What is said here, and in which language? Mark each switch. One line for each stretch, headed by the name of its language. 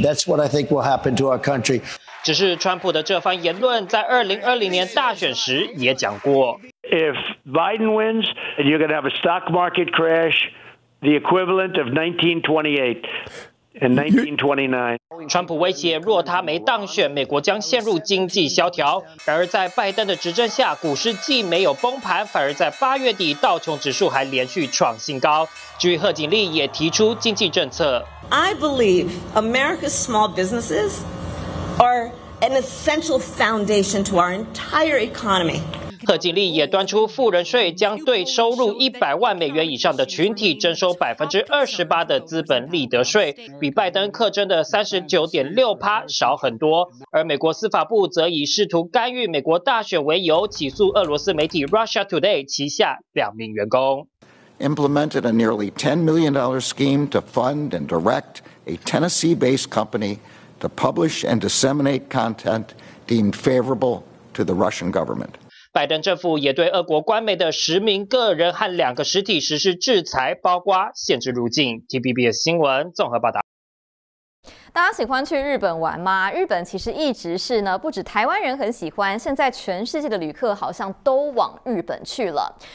English: That's what I think will happen to our country.
Chinese: 只是川普的这番言论，在2020年大选时也讲过。
English: If Biden wins, you're going to have a stock market crash, the equivalent of 1928 and 1929.
Chinese: 川普威胁，若他没当选，美国将陷入经济萧条。然而，在拜登的执政下，股市既没有崩盘，反而在8月底道琼指数还连续创新高。至于贺锦丽也提出经济政策。
English: I believe America's small businesses are an essential foundation to our entire economy.
Chinese: 贺锦丽也端出富人税，将对收入100万美元以上的群体征收28%的资本利得税，比拜登课征的39.6%少很多。而美国司法部则以试图干预美国大选为由，起诉俄罗斯媒体 Russia Today 旗下2名员工。
English: Implemented a nearly $10 million scheme to fund and direct a Tennessee-based company to publish and disseminate content deemed favorable to the Russian government.
Chinese: 拜登政府也对俄国官媒的10名个人和2个实体实施制裁，包括限制入境。 TVBS 新闻综合报道。大家喜欢去日本玩吗？日本其实一直是呢，不止台湾人很喜欢，现在全世界的旅客好像都往日本去了。